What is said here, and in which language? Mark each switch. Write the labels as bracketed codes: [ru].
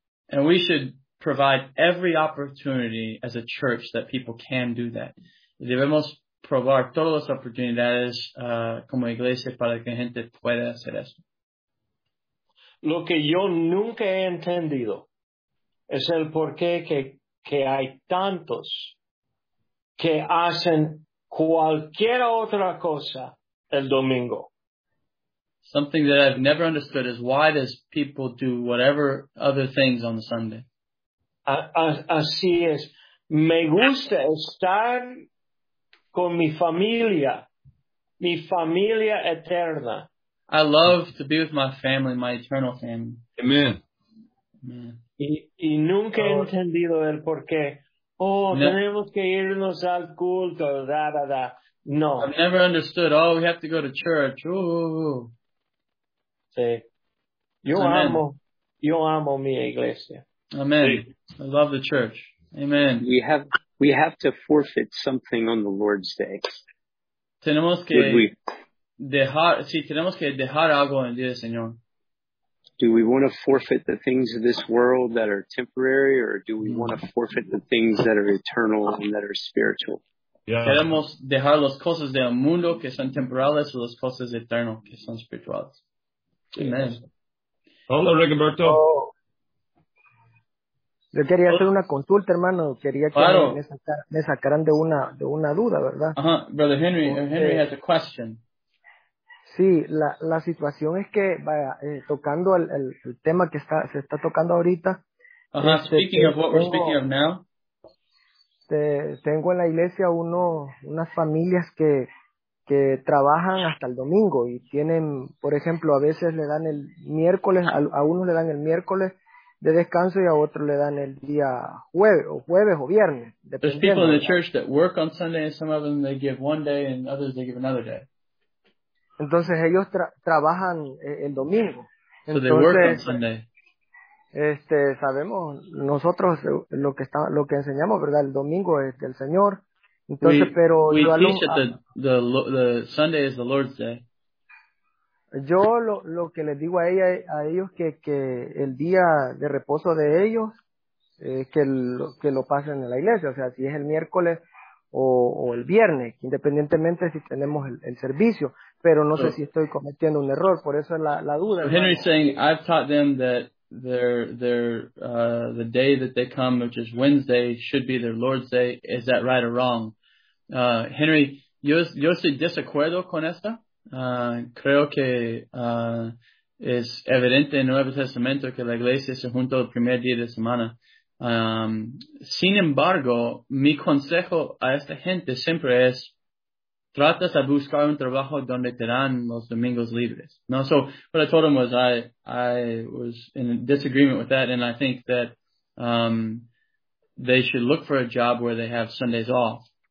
[en] And we should provide every opportunity as a church that people can do that. [es] Debemos probar todas las oportunidades como iglesia para que gente pueda hacer esto. Lo que yo nunca he entendido es el por qué que hay tantos que hacen cualquier otra cosa el domingo. [en] Something that I've never understood is why does people do whatever other things on Sunday? [es] Así es. Me gusta estar con mi familia eterna. [en] I love to be with my family, my eternal family. Amen. [es] Y nunca he entendido el por qué. Oh, no. Tenemos que irnos al culto, da, da, da. No. [en] I've never understood, oh, we have to go to church. Ooh. [es] Sí. Yo amo mi iglesia. [en] Amen. Sí. I love the church. Amen. We have to forfeit something on the Lord's Day. [es] Tenemos que dejar, sí, tenemos que dejar algo en Dios, Señor. [en] Do we want to forfeit the things of this world that are temporary, or do we want to forfeit the things that are eternal and that are spiritual? Yeah. [es] Queremos dejar las cosas del mundo que son temporales o las cosas eternas que son espirituales. Amen. Hola, Rigoberto. Le quería hacer una consulta, hermano. Quería que me sacaran de una duda, ¿verdad? [en] Ajá, Brother Henry. Henry has a question. [es] Sí, la situación es que, vaya, tocando el tema que se está tocando ahorita. [en] Ajá, speaking of what we're speaking of now. [es] Tengo en la iglesia unas familias que trabajan hasta el domingo y tienen, por ejemplo, a veces le dan el miércoles, a unos le dan el miércoles de descanso y a otro le dan el día jueves o viernes. [en] There's people in the church that work on Sunday and some of them they give one day and others they give another day. [es] Entonces ellos trabajan el domingo. [en] So they work on Sunday. [es] Sabemos nosotros lo que enseñamos, ¿verdad? El domingo es del Señor. Entonces, [en] we teach that the Sunday is the Lord's Day. [es] Yo lo que les digo a ellos que el día de reposo de ellos que lo pasen en la iglesia, o sea, si es el miércoles o el viernes, independientemente si tenemos el servicio, pero no sé si estoy cometiendo un error, por eso es la duda. [en] Henry's saying I've taught them that the day that they come, which is Wednesday, should be their Lord's Day. Is that right or wrong? [es] Henry, yo estoy desacuerdo con esto. Creo que es evidente en el Nuevo Testamento que la iglesia se junta el primer día de semana. Sin embargo, mi consejo a esta gente siempre es tratas de buscar un trabajo donde te dan los domingos libres. [en] No, so what I told him was I was in disagreement with that, and I think that they should look for a job where they have Sundays off.